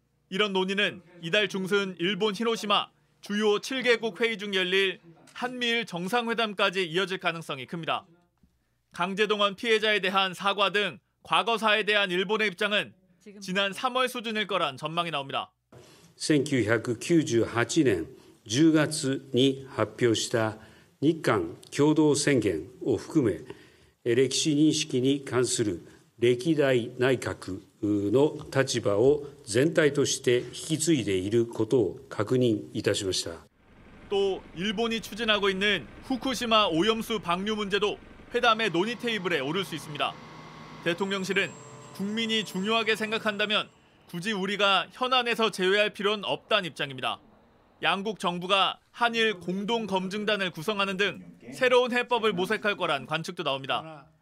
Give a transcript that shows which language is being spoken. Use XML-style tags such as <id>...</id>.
<ko>이런 논의는 이달 중순 일본 히로시마 주요 7개국 회의 중 열릴 한미일 정상회담까지 이어질 가능성이 큽니다. 강제동원 피해자에 대한 사과 등 과거사에 대한 일본의 입장은 지난 3월 수준일 거란 전망이 나옵니다. 1998년 10월에 발표</ko> <ja>した 日韓共同宣言を含め 歴史認識に関する歴代内閣の立場を全体として引き継いでいることを確認いたしました。</ja> <ko>또 일본이 추진하고 있는 후쿠시마 오염수 방류 문제도 회담의 논의 테이블에 오를 수 있습니다. 대통령실은 국민이 중요하게 생각한다면 굳이 우리가 현안에서 제외할 필요는 없다는 입장입니다. 양국 정부가 한일 공동검증단을 구성하는 등 새로운 해법을 모색할 거란 관측도 나옵니다.</ko>